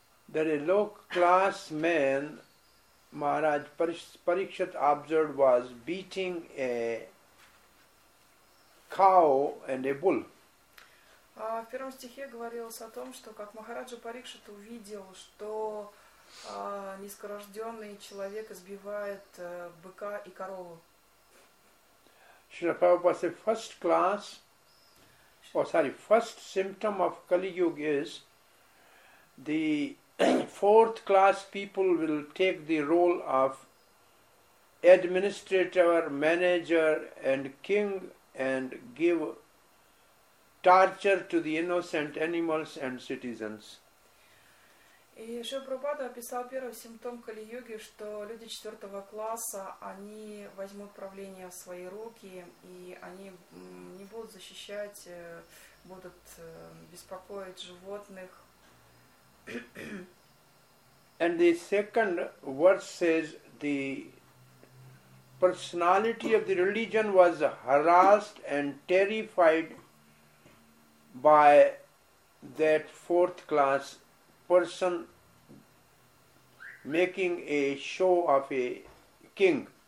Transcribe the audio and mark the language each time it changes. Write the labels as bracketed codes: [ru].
[en] That a low class man, Maharaj Parikshit observed, was beating a cow and a bull. [ru] В первом стихе говорилось о том, что как Махараджа Парикшит увидел, что низкорожденный человек избивает быка и корову. [en] Шрила Прабхупада said, first class, or sorry, first symptom of Kali Yuga is the fourth class people will take the role of administrator, manager and king and give torture to the innocent animals and citizens. [ru] И Шрила Прабхупада описал первый симптом Кали-юги, что люди четвертого класса, они возьмут правление в свои руки, и они не будут защищать, будут беспокоить животных. [en] And the second verse says, the personality of the religion was harassed and terrified by that fourth class person making a show of a king.